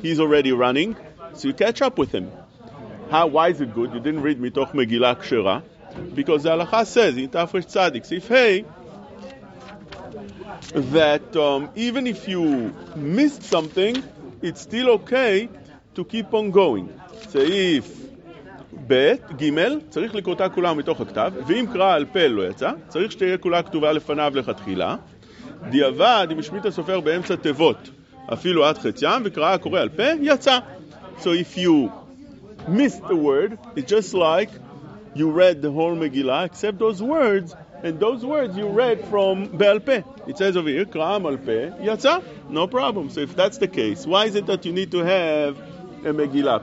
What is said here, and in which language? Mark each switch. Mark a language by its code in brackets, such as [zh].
[en] He's already running, so you catch up with him. How? Why is it good? You didn't read Mitoch Megillah Kshera, because the halacha says in Tafresh Tzadik, if hey, that even if you missed something, it's still okay to keep on going. [he] Say if Bet Gimel, צריך לקרוא את כולה מתוך הכתב, ואם קרא אל פה לא יצא, צריך שתהיה כולה כתובה לפניו לכתחילה. דיעבד, אם השמיט הסופר באמצע תיבות, אפילו עד חציים, וקראה קורא על פה, יצא. [en] So if you missed a word, it's just like you read the whole Megillah, except those words, and those words you read from בעל פה. It says over here, [he] קראה על פה, יצא. [en] No problem. So if that's the case, why is it that you need to have a Megillah?